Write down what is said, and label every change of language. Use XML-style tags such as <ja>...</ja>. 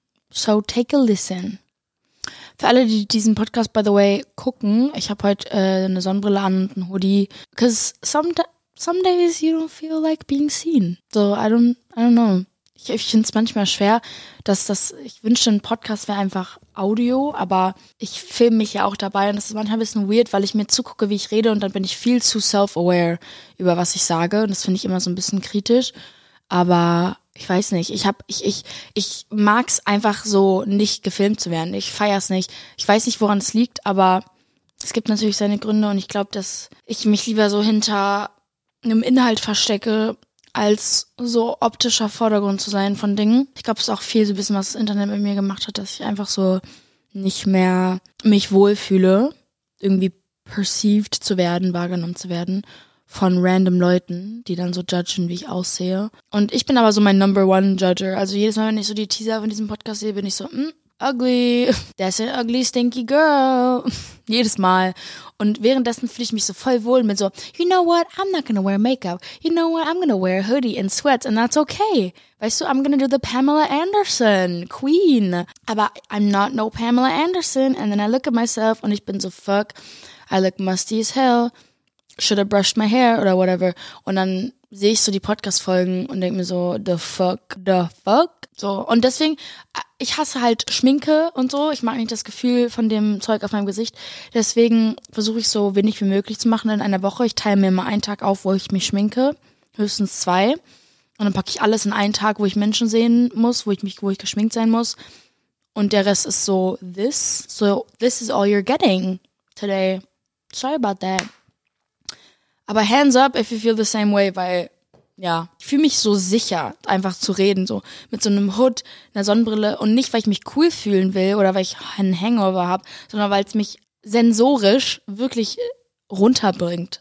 <en>So take a listen.</en> <de>Für alle, die diesen Podcast,</de> <en>by the way,</en> <de>gucken, ich habe heute eine Sonnenbrille an und einen Hoodie.</de> <en>Because some days you don't feel like being seen. So I don't know.</en> <de>Ich finde es manchmal schwer, ich wünschte, ein Podcast wäre einfach Audio, aber ich filme mich ja auch dabei und das ist manchmal ein bisschen weird, weil ich mir zugucke, wie ich rede und dann bin ich viel zu self-aware über was ich sage und das finde ich immer so ein bisschen kritisch, aber ich weiß nicht, ich mag es einfach so nicht gefilmt zu werden, ich feiere es nicht, ich weiß nicht, woran es liegt, aber es gibt natürlich seine Gründe und ich glaube, dass ich mich lieber so hinter einem Inhalt verstecke, als so optischer Vordergrund zu sein von Dingen. Ich glaube, es ist auch viel so ein bisschen, was das Internet mit mir gemacht hat, dass ich einfach so nicht mehr mich wohlfühle, irgendwie perceived zu werden, wahrgenommen zu werden von random Leuten, die dann so judgen, wie ich aussehe. Und ich bin aber so mein Number One Judger. Also jedes Mal, wenn ich so die Teaser von diesem Podcast sehe, bin ich so,</de> <en>ugly, that's an ugly stinky girl.</en> <de>Jedes Mal. Und währenddessen fühle ich mich so voll wohl mit so,</de> <en>you know what, I'm not gonna wear makeup. You know what, I'm gonna wear a hoodie and sweats and that's okay.</en> <de>Weißt du,</de> <en>I'm gonna do the Pamela Anderson, Queen.</en> <de>Aber</de> <en>I'm not no Pamela Anderson. And then I look at myself</en> <de>und ich bin so,</de> <en>fuck, I look musty as hell. Should have brushed my hair oder whatever.</en> <de>Und dann sehe ich so die Podcast-Folgen und denke mir so,</de> <en>the fuck?</en> <de>So, und deswegen, ich hasse halt Schminke und so. Ich mag nicht das Gefühl von dem Zeug auf meinem Gesicht. Deswegen versuche ich so wenig wie möglich zu machen in einer Woche. Ich teile mir immer einen Tag auf, wo ich mich schminke. Höchstens zwei. Und dann packe ich alles in einen Tag, wo ich Menschen sehen muss, wo ich geschminkt sein muss. Und der Rest ist so this.</de> <en>So, this is all you're getting today. Sorry about that.</en> <de>Aber</de> <en>hands up, if you feel the same way,</en> <de>weil, ja, ich fühle mich so sicher, einfach zu reden, so mit so einem Hood, einer Sonnenbrille und nicht, weil ich mich cool fühlen will oder weil ich einen Hangover habe, sondern weil es mich sensorisch wirklich runterbringt.</de>